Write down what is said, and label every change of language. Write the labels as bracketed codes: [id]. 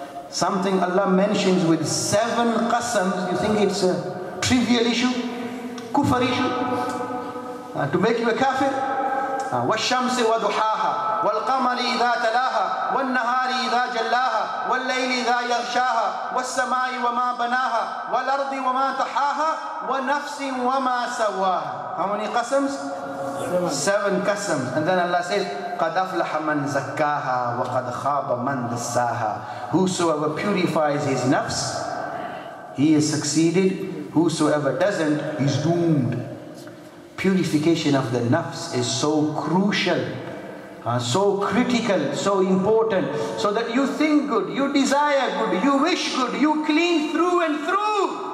[en] Something Allah mentions with seven قسمز, you think it's a trivial issue? Kufar issue? To make you a kafir? [ar] والشمس وضحاها والقمر إذا تلاها والنهار إذا جلاها والليل إذا يغشاها والسماء وما بناها والأرض وما تحاها ونفس وما سواها. [en] How many قسمز? Seven [ar] قسمز. [en] And then Allah says [ar] قد أفلح من زكاها وقد خاب من دساها. [en] Whosoever purifies his nafs, he is succeeded. Whosoever doesn't, he's doomed. Purification of the nafs is so crucial, so critical, so important, so that you think good, you desire good, you wish good, you clean through and through.